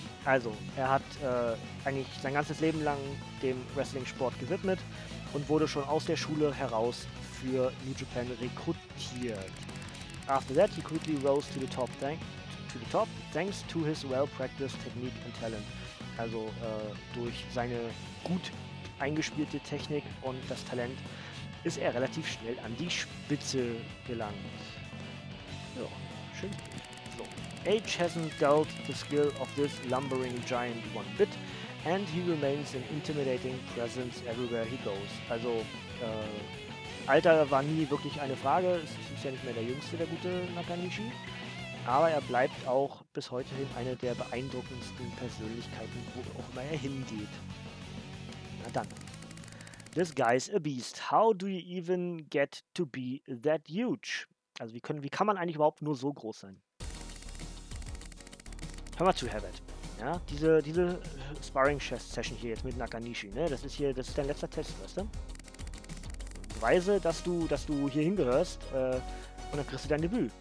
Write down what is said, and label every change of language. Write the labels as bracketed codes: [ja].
[de] Also, er hat eigentlich sein ganzes Leben lang dem Wrestling-Sport gewidmet und wurde schon aus der Schule heraus für New Japan rekrutiert. [en] After that, he quickly rose to the top, thanks to his well-practiced technique and talent. [de] Also, durch seine gut eingespielte Technik und das Talent ist er relativ schnell an die Spitze gelangt. Ja, schön. So. [en] Age hasn't dealt the skill of this lumbering giant one bit, and he remains an intimidating presence everywhere he goes. [de] Also, Alter war nie wirklich eine Frage, es ist ja nicht mehr der Jüngste, der gute Nakanishi. Aber er bleibt auch bis heute hin eine der beeindruckendsten Persönlichkeiten, wo auch immer er hingeht. Na dann. [en] This guy's a beast. How do you even get to be that huge? [de] Also wie kann man eigentlich überhaupt nur so groß sein? Hör mal zu, Herbert. Ja, diese Sparring-Session hier jetzt mit Nakanishi, ne? Das ist dein letzter Test, weißt du? Beweise, dass du hier hingehörst, und dann kriegst du dein Debüt.